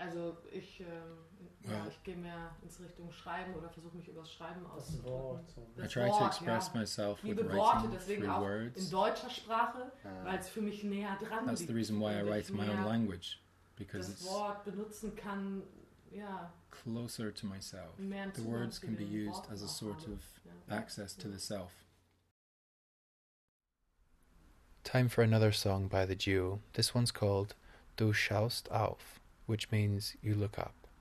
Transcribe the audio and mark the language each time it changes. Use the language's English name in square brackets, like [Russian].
[German] Also ich, ja, ich gehe mehr ins Richtung Schreiben oder versuche mich über das Schreiben auszudrücken. [English] I try to express myself with writing through words. [German] In deutscher Sprache, weil es für mich näher dran liegt. [English] That's the reason why I write my own language. Because [German] das Wort benutzen kann, ja, [English] closer to myself. The words can be used as a sort of access to the self. Time for another song by the duo. This one's called Du schaust auf, which means you look up.